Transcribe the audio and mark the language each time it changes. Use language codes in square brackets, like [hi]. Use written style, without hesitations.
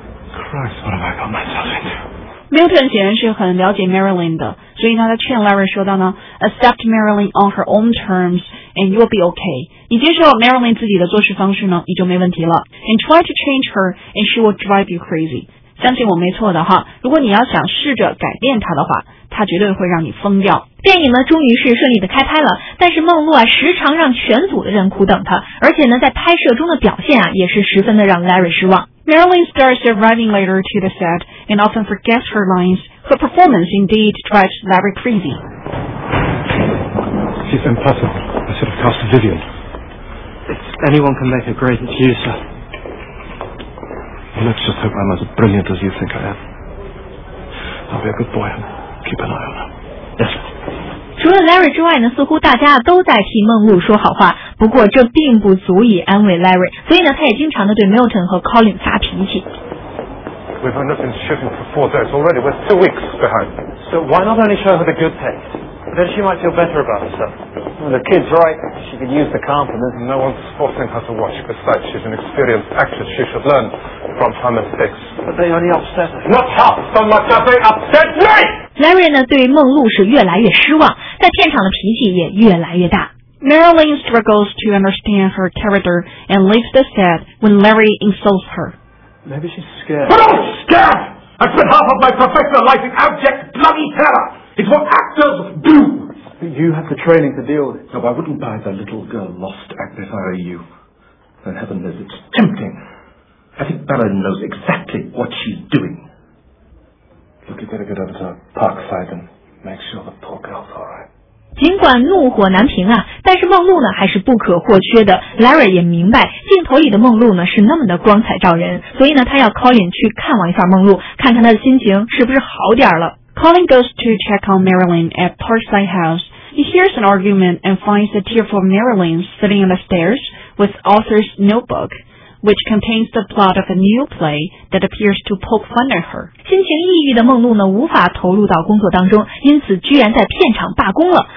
[en] Christ, what have I got myself into? [zh] Milton 显然是很了解 Marilyn 的，所以呢，他劝 Larry 说到呢 ， [en] Accept Marilyn on her own terms and you'll be okay. [zh] 你接受 Marilyn 自己的做事方式呢，你就没问题了。 [en] And try to change her and she will drive you crazy. [zh] 相信我没错的哈，如果你要想试着改变她的话，她绝对会让你疯掉。电影呢，终于是顺利的开拍了，但是梦露啊，时常让全组的人苦等她，而且呢，在拍摄中的表现啊，也是十分的让 Larry 失望。 [en] Marilyn starts arriving later to the set and often forgets her lines. Her performance indeed drives Larry crazy. She's impossible. I should have cast Vivian. If anyone can make her great, it's you, sir. Well, let's just hope I'm as brilliant as you think I am. I'll be a good boy and keep an eye on her. Yes, sir. [zh] 除了 Larry 之外呢，似乎大家都在替梦露说好话，不过这并不足以安慰 Larry， 所以呢，他也经常的对 Milton 和 Colin 发脾气。 [en] We've only been shooting for 4 days already. We're 2 weeks behind. So why not only show her the good takes? Then she might feel better about herself. Well, the kid's right. She can use the confidence. No one's forcing her to watch. Besides, she's an experienced actress. She should learn from her mistakes. But they only upset her. Not half so much as they upset me! [zh] Larry 呢，对梦露是越来越失望，在片场的脾气也越来越大。 [en] Marilyn struggles to understand her character and leaves the set when Larry insults her. Maybe she's scared. But I'm scared! I spent half of my professional life in abject bloody terror! It's what actors do! But you have the training to deal with it. No, I wouldn't buy the little girl lost at this IOU. And heaven knows it's tempting. I think Bella knows exactly what she's doing. Look, you better get over to Parkside and make sure the poor girl's all right. [zh] 尽管怒火难平啊，但是梦露呢还是不可或缺的。 Larry 也明白镜头里的梦露呢是那么的光彩照人，所以呢他要 Colin 去看望一下梦露，看看他的心情是不是好点了。 [en] Colin goes to check on Marilyn at Parkside House. He hears an argument and finds a tearful Marilyn sitting on the stairs with author's notebook. Which contains the plot of a new play that appears to poke fun at her. [zh] 心情抑郁的梦露呢，无法投入到工作当中，因此居然在片场罢工了。